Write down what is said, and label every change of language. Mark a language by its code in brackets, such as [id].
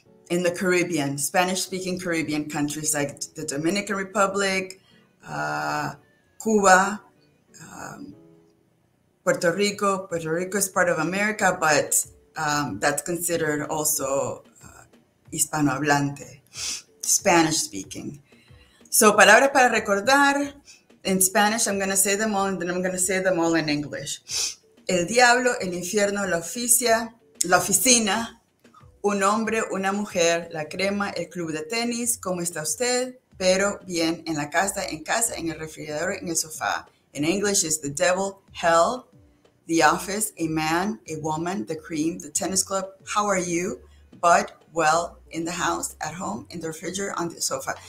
[en] In the Caribbean, Spanish-speaking Caribbean countries like the Dominican Republic, Cuba, Puerto Rico. Puerto Rico is part of America, but that's considered also hispanohablante, Spanish-speaking. So, [es] palabras para recordar, [en] in Spanish, I'm going to say them all, and then I'm going to say them all in English. [es] El diablo, el infierno, la oficina, un hombre, una mujer, la crema, el club de tenis, ¿cómo está usted? Pero bien, en casa, en el refrigerador, en el sofá. [en] In English, it's the devil, hell, the office, a man, a woman, the cream, the tennis club, how are you? But, well, in the house, at home, in the refrigerator, on the sofa.